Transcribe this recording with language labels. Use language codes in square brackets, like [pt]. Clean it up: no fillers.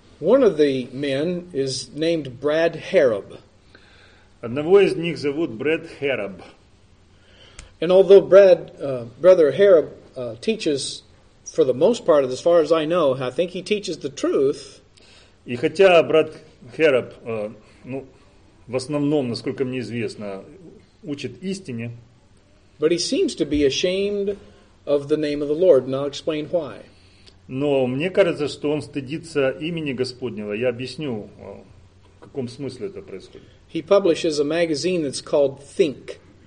[en] One of the men is named Brad Harab. [ru] Одного из них зовут Брэд Хераб. [en] And although Brad, Brother Harab, teaches for the most part, as far as I know, I think he teaches the truth. [ru] И хотя брат Хераб, ну, в основном, насколько мне известно, учит истине. [en] But he seems to be ashamed of the name of the Lord, and I'll explain why. [ru] Но мне кажется, что он стыдится имени Господнего. Я объясню, в каком смысле это происходит. [en] He publishes a magazine that's called Think.